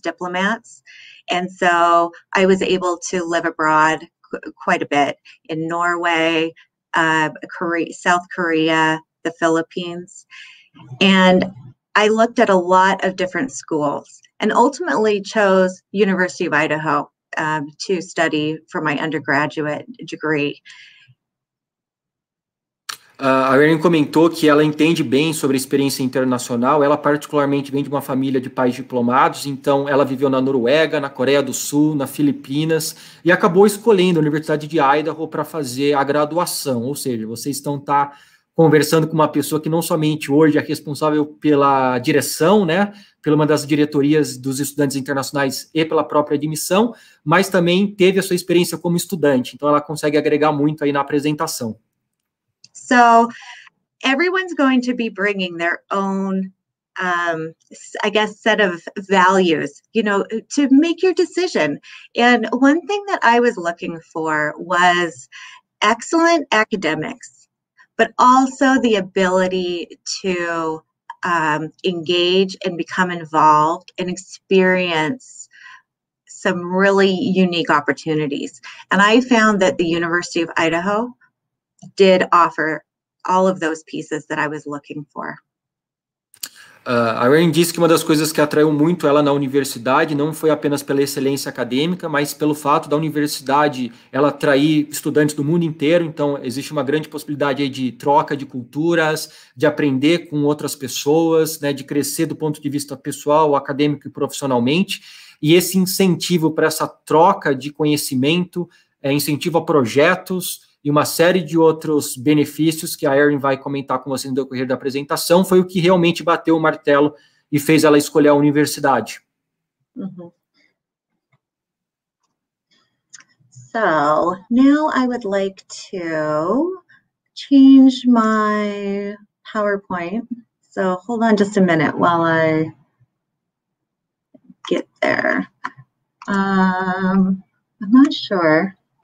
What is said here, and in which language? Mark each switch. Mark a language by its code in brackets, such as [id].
[en] diplomats, and so I was able to live abroad quite a bit in Norway, South Korea, the Philippines, and I looked at a lot of different schools and ultimately chose University of Idaho to study for my undergraduate degree. [pt] A Erin comentou que ela entende bem sobre a experiência internacional, ela particularmente vem de uma família de pais diplomados, então ela viveu na Noruega, na Coreia do Sul, na Filipinas, e acabou escolhendo a Universidade de Idaho para fazer a graduação, ou seja, vocês estão conversando com uma pessoa que não somente hoje é responsável pela direção, né, pela uma das diretorias dos estudantes internacionais e pela própria admissão, mas também teve a sua experiência como estudante, então ela consegue agregar muito aí na apresentação. [en] So everyone's going to be bringing their own, set of values, you know, to make your decision. And one thing that I was looking for was excellent academics, but also the ability to engage and become involved and experience some really unique opportunities. And I found that the University of Idaho did offer all of those pieces that I was looking for. [pt] A Erin disse que uma das coisas que atraiu muito ela na universidade não foi apenas pela excelência acadêmica, mas pelo fato da universidade ela atrair estudantes do mundo inteiro, então existe uma grande possibilidade aí de troca de culturas, de aprender com outras pessoas, né, de crescer do ponto de vista pessoal, acadêmico e profissionalmente, e esse incentivo para essa troca de conhecimento, incentivo a projetos, e uma série de outros benefícios que a Erin vai comentar com você no decorrer da apresentação, foi o que realmente bateu o martelo e fez ela escolher a universidade. [en] So, now I would like to change my PowerPoint. So, hold on just a minute while I get there. I'm not sure.